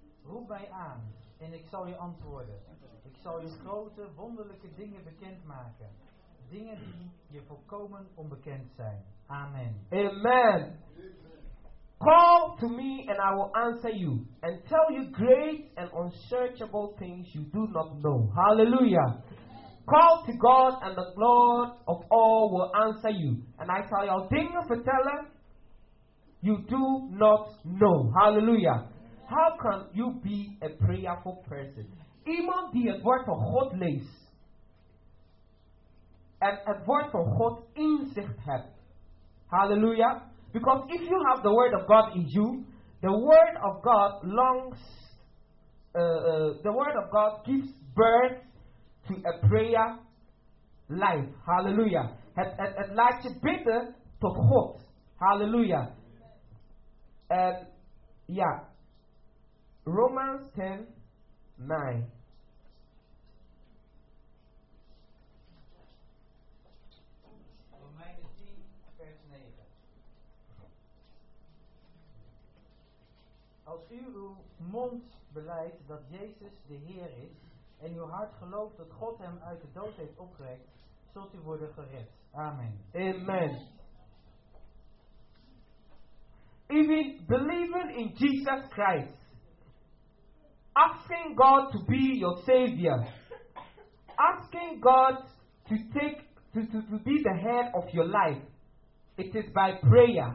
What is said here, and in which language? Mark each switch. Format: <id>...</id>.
<nl>Roep mij aan en ik zal je antwoorden. Ik zal je grote, wonderlijke dingen bekendmaken. Dingen die je volkomen onbekend zijn. Amen. Amen.</nl> <en>Call to me and I will answer you. And tell you great and unsearchable things you do not know. Hallelujah. Call to God and the Lord of all will answer you. And I shall your</en> <nl>dingen vertellen.</nl> <en>You do not know. Hallelujah. How can you be a prayerful person?</en> <nl>Iemand die het woord van God leest. En het woord van God inzicht hebt.</nl> <en>Hallelujah. Because if you have the word of God in you. The word of God longs. The word of God gives birth to a prayer life. Hallelujah.</en> <nl>Het laat je bidden tot God. Hallelujah. En ja, Romans 10, 9. Romeinen 10, vers 9. Als u uw mond beleidt dat Jezus de Heer is en uw hart gelooft dat God hem uit de dood heeft opgewekt, zult u worden gered. Amen. Amen.</nl> <en>Even believing in Jesus Christ, asking God to be your savior, asking God to take to be the head of your life, it is by prayer.</en>